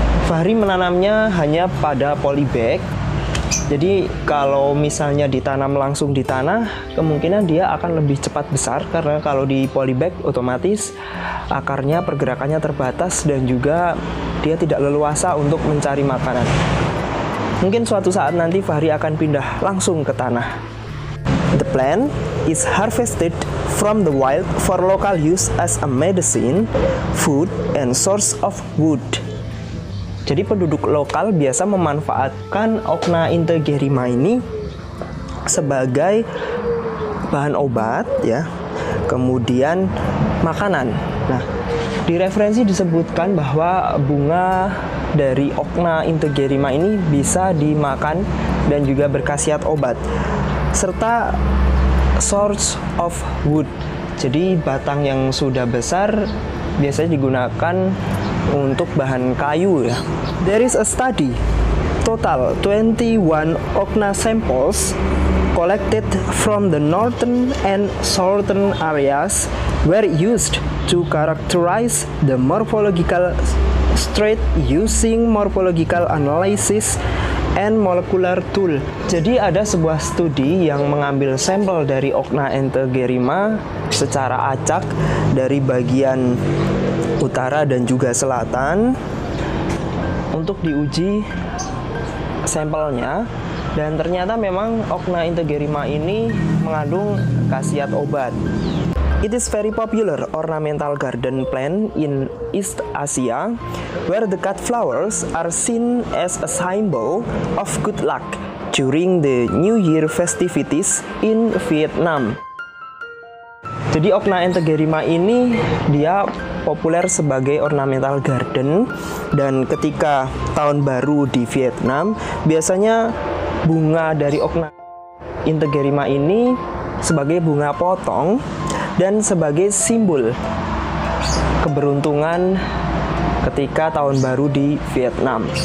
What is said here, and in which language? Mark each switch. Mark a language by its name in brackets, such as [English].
[Indonesian] Fahri menanamnya hanya pada polybag. Jadi kalau misalnya ditanam langsung di tanah, kemungkinan dia akan lebih cepat besar, karena kalau di polybag otomatis akarnya pergerakannya terbatas dan juga dia tidak leluasa untuk mencari makanan. Mungkin suatu saat nanti Fahri akan pindah langsung ke tanah. [English] The plant is harvested from the wild for local use as a medicine, food, and source of wood. [Indonesian] Jadi penduduk lokal biasa memanfaatkan okna integerrima ini sebagai bahan obat ya, kemudian makanan. Nah, di referensi disebutkan bahwa bunga dari okna integerrima ini bisa dimakan dan juga berkhasiat obat, serta [English] source of wood. [Indonesian] Jadi batang yang sudah besar biasanya digunakan untuk bahan kayu ya. [English] There is a study, total 21 Okna samples collected from the northern and southern areas were used to characterize the morphological strait using morphological analysis and molecular tool. [Indonesian] Jadi ada sebuah studi yang mengambil sampel dari Okna entergerima secara acak dari bagian utara dan juga selatan untuk diuji sampelnya, dan ternyata memang Okna entergerima ini mengandung khasiat obat. [English] It is very popular ornamental garden plant in East Asia, where the cut flowers are seen as a symbol of good luck during the New Year festivities in Vietnam. [Indonesian] Jadi Okna entergerima ini dia populer sebagai [English] ornamental garden, [Indonesian] dan ketika tahun baru di Vietnam biasanya bunga dari Okna entergerima ini sebagai bunga potong dan sebagai simbol keberuntungan ketika tahun baru di Vietnam.